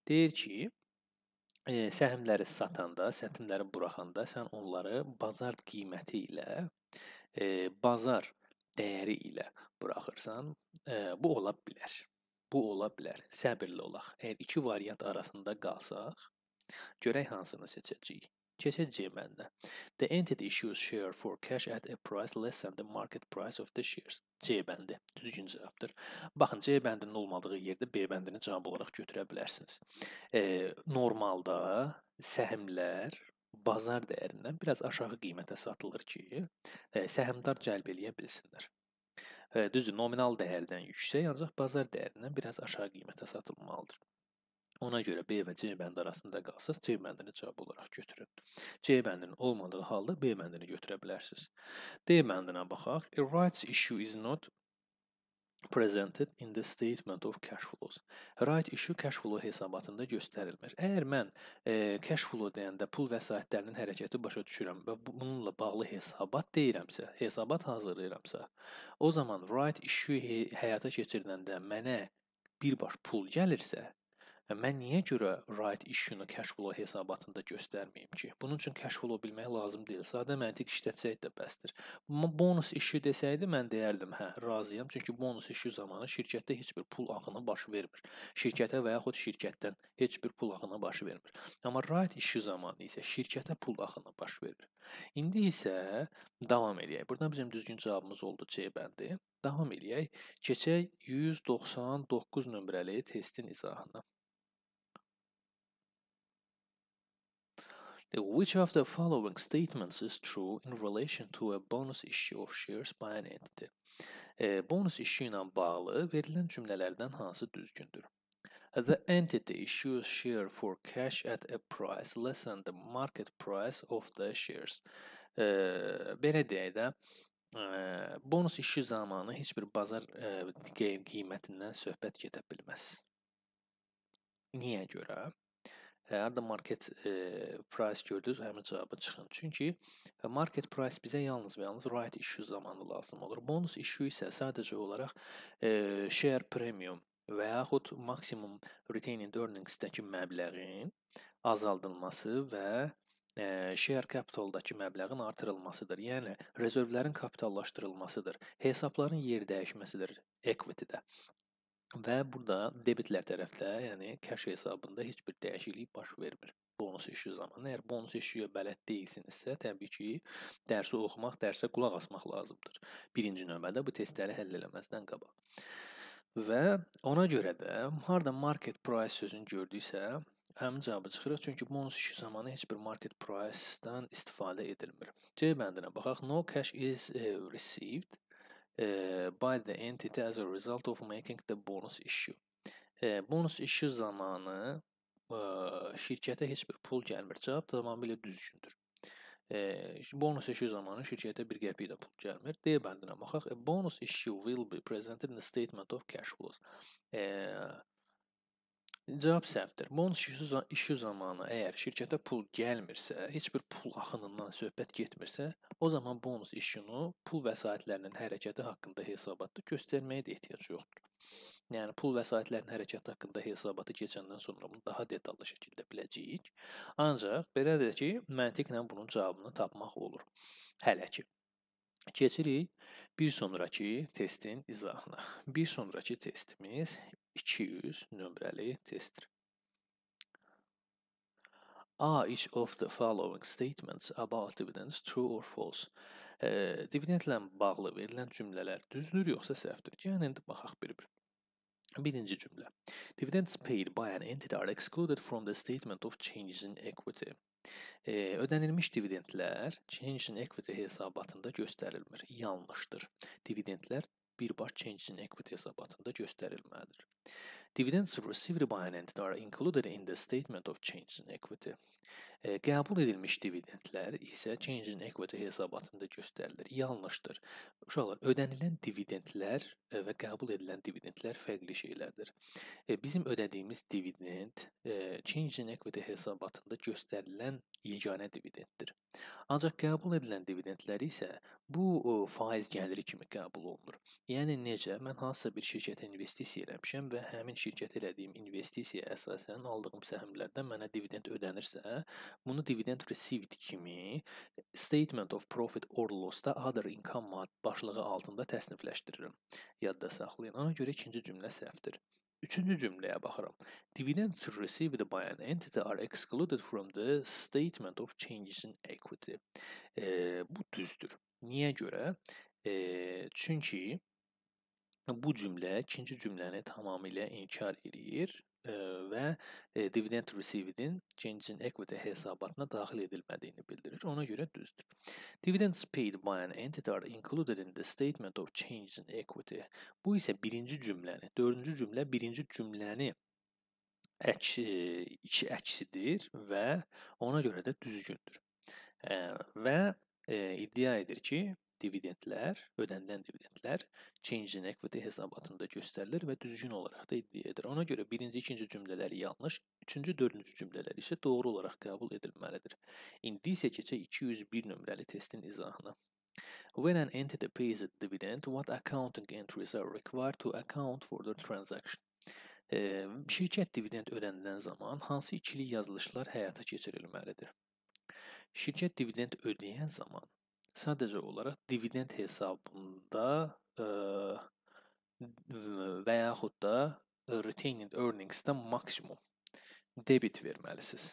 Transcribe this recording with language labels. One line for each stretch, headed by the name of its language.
Azerbaijani: Deyir ki, səhmləri satanda, səhmləri buraxanda sən onları bazar qiyməti ilə bazar dəyəri ilə bıraxırsan, bu ola bilər. Bu ola bilər. Səbirli olaq. Əgər iki variant arasında qalsaq, görək hansını seçəcəyik. Keçəcəyik məndə.
English: The entity issues share for cash at a price less than the market price of the shares.
Azerbaijani: C bəndi. Düzgün cavabdır. Baxın, C bəndinin olmadığı yerdə B bəndini cavab olaraq götürə bilərsiniz. Normalda səhmlər bazar dəyərindən biraz aşağı qiymətə satılır ki, səhmdar cəlb eləyə bilsinlər. Düzdür, nominal dəyərdən yüksək, ancaq bazar dəyərindən biraz aşağı qiymətə satılmalıdır. Ona görə B və C bəndi arasında qalsaz, C bəndini cavab olaraq götürün. C bəndinin olmadığı halda B bəndini götürə bilərsiniz. D bəndinə baxaq.
English: A rights issue is not presented in the statement of cash flows.
Azerbaijani: Right issue cash flow hesabatında göstərilmir. Əgər mən cash flow deyəndə pul vəsaitlərinin hərəkəti başa düşürəm və bununla bağlı hesabat deyirəmsə, hesabat hazırlayıramsa, o zaman right issue həyata keçirdəndə mənə birbaş pul gəlirsə, mən niyə görə right issue-nu cash flow hesabatında göstərməyim ki? Bunun üçün cash flow bilmək lazım deyil. Sadə məntiq işlətsək də bəsdir. Bonus issue desəydi, mən deyərdim, hə, razıyam. Çünki bonus issue zamanı şirkətdə heç bir pul axını baş vermir. Şirkətə və yaxud şirkətdən heç bir pul axını baş vermir. Amma right issue zamanı isə şirkətə pul axını baş verir. İndi isə davam edək. Burada bizim düzgün cavabımız oldu C bəndi. Davam edək. Keçək 199 nömrəli testin izahına.
English: Which of the following statements is true in relation to a bonus issue of shares by an entity?
Azerbaijani: Bonus issue ilə bağlı verilən cümlələrdən hansı düzgündür?
English: The entity issues share for cash at a price less than the market price of the shares.
Azerbaijani: Belə deyək də, bonus issue zamanı heç bir bazar qiymətindən söhbət gedə bilməz. Niyə görə? Əgər də market price gördünüz, həmin cavabı çıxın. Çünki market price bizə yalnız və yalnız right issue zamanı lazım olur. Bonus issue isə sadəcə olaraq share premium və yaxud maximum retained earnings-dəki məbləğin azaldılması və share capital-dakı məbləğin artırılmasıdır. Yəni, rezervlərin kapitallaşdırılmasıdır. Hesabların yer dəyişməsidir equity-də. Və burada debitlər tərəfdə, yəni cash hesabında heç bir dəyişiklik baş vermir bonus issue zamanı. Əgər bonus issue-ya bələd deyilsinizsə, təbii ki, dərsi oxumaq, dərsə qulaq asmaq lazımdır. Birinci növbədə bu testləri həll eləməzdən qabaq. Və ona görə də, harada market price sözünü gördüysə, həmin cavabı çıxırıq. Çünki bonus issue zamanı heç bir market price-dan istifadə edilmir. C bəndinə baxaq.
English: No cash is received by the entity as a result of making the bonus issue.
Azerbaijani: Bonus issue zamanı şirkətə heç bir pul gəlmir. Cavab tamamilə düzgündür. Bonus issue zamanı şirkətə bir qəpik də pul gəlmir. D bəndinə baxaq.
English: A bonus issue will be presented in the statement of cash flows.
Azerbaijani: Cavab səhvdir. Bonus issue zamanı əgər şirkətə pul gəlmirsə, heç bir pul axınından söhbət getmirsə, o zaman bonus issue-nu pul vəsaitlərinin hərəkəti haqqında hesabatda göstərməyə də ehtiyac yoxdur. Yəni, pul vəsaitlərinin hərəkəti haqqında hesabatı keçəndən sonra bunu daha detallı şəkildə biləcəyik. Ancaq, belə də ki, məntiqlə bunun cavabını tapmaq olur. Hələ ki, keçirik bir sonraki testin izahına. Bir sonraki testimiz 200 nömrəli testdir.
English: Are each of the following statements about dividends true or false?
Azerbaijani: Dividendlə bağlı verilən cümlələr düzdür yoxsa səhvdir? Gəlin, indi baxaq bir-bir. Birinci cümlə.
English: Dividends paid by an entity are excluded from the statement of changes in equity.
Azerbaijani: Ödənilmiş dividendlər changes in equity hesabatında göstərilmir. Yanlışdır. Dividendlər birbaş changes in equity hesabatında göstərilməlidir.
English: Dividends received by an entity are included in the statement of changes in equity.
Azerbaijani: Qəbul edilmiş dividendlər isə changes in equity hesabatında göstərilir. Yanlışdır. Uşaqlar, ödənilən dividendlər və qəbul edilən dividendlər fərqli şeylərdir. Bizim ödədiyimiz dividend changes in equity hesabatında göstərilən yeganə dividenddir. Ancaq qəbul edilən dividendlər isə bu faiz gəliri kimi qəbul olunur. Yəni necə? Mən hansısa bir şirkətə investisiya eləmişəm və həmin şirkət elədiyim investisiya əsasən aldığım səhmlərdən mənə dividend ödənirsə, bunu dividend received kimi statement of profit or loss-da other income başlığı altında təsnifləşdiririm. Yadda saxlayın, ona görə ikinci cümlə səhvdir. Üçüncü cümləyə baxıram.
English: Dividends received by an entity are excluded from the statement of changes in equity.
Azerbaijani: Bu düzdür. Niyə görə? Çünki bu cümlə ikinci cümləni tamamilə inkar edir və dividend received'in change in equity hesabatına daxil edilmədiyini bildirir. Ona görə düzdür.
English: Dividends paid by an entity are included in the statement of change in equity.
Azerbaijani: Bu isə birinci cümləni, dördüncü cümlə birinci cümləni iki əksidir və ona görə də düzgündür. Və iddia edir ki, dividendlər, ödənilən dividendlər change in equity hesabatında göstərilir və düzgün olaraq da iddia edir. Ona görə birinci, ikinci cümlələr yanlış, üçüncü, dördüncü cümlələr isə doğru olaraq qəbul edilməlidir. İndi isə keçək 201 nömrəli testin izahına.
English: When an entity pays a dividend, what accounting entries are required to account for the transaction?
Azerbaijani: Şirkət dividend ödənilən zaman hansı ikili yazılışlar həyata keçirilməlidir? Şirkət dividend ödəyən zaman sadəcə olaraq dividend hesabında və yaxud da retained earnings-də maksimum debit verməlisiniz.